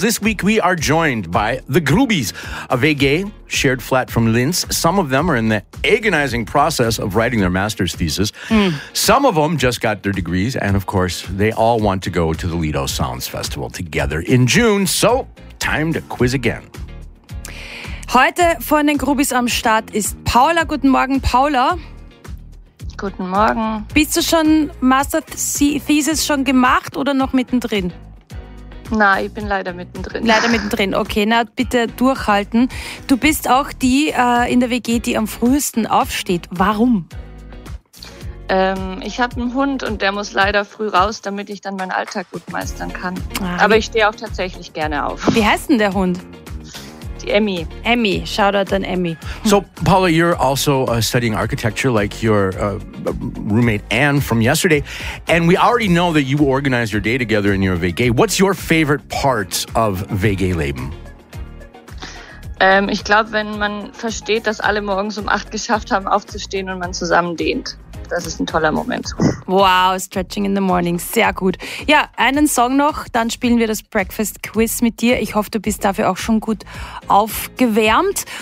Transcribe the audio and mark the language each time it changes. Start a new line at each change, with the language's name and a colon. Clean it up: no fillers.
English: This week, we are joined by the Groobies, a VG shared flat from Linz. Some of them are in the agonizing process of writing their master's thesis. Some of them just got their degrees. And of course, they all want to go to the Lido Sounds Festival together in June. So, time to quiz again.
German: Heute von den Groobies am Start ist Paula. Guten Morgen, Paula. Guten Morgen. Bist du schon Master Thesis schon gemacht oder noch mittendrin? Nein, ich bin leider mittendrin. Leider mittendrin, okay. Na, bitte durchhalten. Du bist auch die in der WG, die am frühesten aufsteht. Warum? Ich habe einen Hund und der muss leider früh raus, damit ich dann meinen Alltag gut meistern kann. Ah, aber ich stehe auch tatsächlich gerne auf. Wie heißt denn der Hund? Emmy. Emmy.
English: Shout out
German: an Emmy.
English: So, Paula, you're also studying architecture like your roommate Anne from yesterday. And we already know that you organize your day together in your WG. What's your favorite part of WG-Leben?
German: Ich glaube, wenn man versteht, dass alle morgens um 8 geschafft haben, aufzustehen und man zusammen dehnt. Das ist ein toller Moment.
English: Wow, stretching in the morning.
German: Sehr gut. Ja, einen Song noch, dann spielen wir das Breakfast Quiz mit dir. Ich hoffe, du bist dafür auch schon gut aufgewärmt.